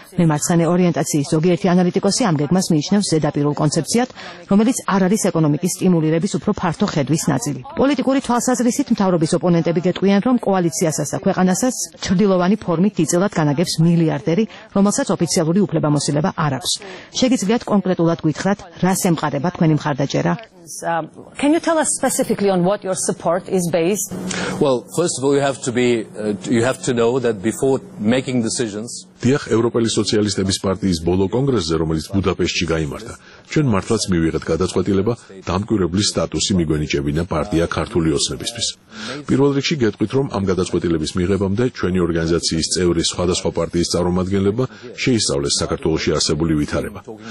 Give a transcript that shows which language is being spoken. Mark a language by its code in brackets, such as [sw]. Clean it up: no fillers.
[ka] მემარცხენე ორიენტაციის ზოგიერთი ანალიტიკოსი ამ გეგმას მიიჩნევს ზედაპირულ კონცეფციად, რომელიც არ არის ეკონომიკის სტიმულირების უფრო ფართო ხედვის ნაწილი. პოლიტიკური თვალსაზრისით მთავრობის ოპონენტები გეტყვიან, რომ კოალიციასაც და ქვეყანასაც ჩრდილოვანი ფორმით დიწილად განაგებს მილიარდერი, რომელსაც ოფიციალური უფლებამოსილება არ აქვს. შეგიძლიათ კონკრეტულად გვითხრათ, რას ემყარება თქვენი მხარდაჭერა? [en] Can you tell us specifically on what your support is based? Well, first of all, you have to know that before making decisions. [ka] დიახ, ევროპელი სოციალისტების პარტიის ბოლო კონგრესზე, რომელიც ბუდაპეშტში გამართა, ჩვენ მართლაც მივიღეთ გადაწყვეტილება დამკვირვებლის სტატუსი მიგვენიჭებინა პარტია ქართული ოცნებისთვის. პირველ რიგში გეტყვით, რომ ამ გადაწყვეტილების მიღებამდე ჩვენი ორგანიზაციის წევრი სხვადასხვა პარტიის წარმომადგენლებმა შეისწავლეს საქართველოს არსებული ვითარება.